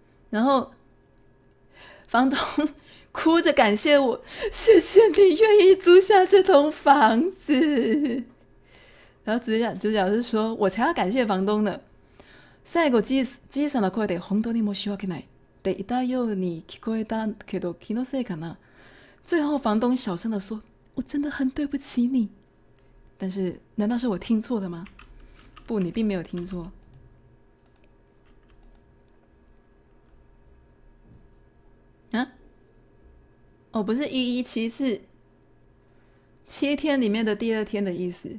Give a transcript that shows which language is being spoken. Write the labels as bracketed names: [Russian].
[Chinese] 然后房东哭着感谢我，谢谢你愿意租下这栋房子。然后主角是说，我才要感谢房东呢。 [Japanese] 最後小さな声で本当に申し訳ないって言ったように聞こえたけど気のせいかな。 [Chinese] 最後房东小声的说，我真的很对不起你。但是难道是我听错的吗？不，你并没有听错。哦，不是117，是七天里面的第二天的意思。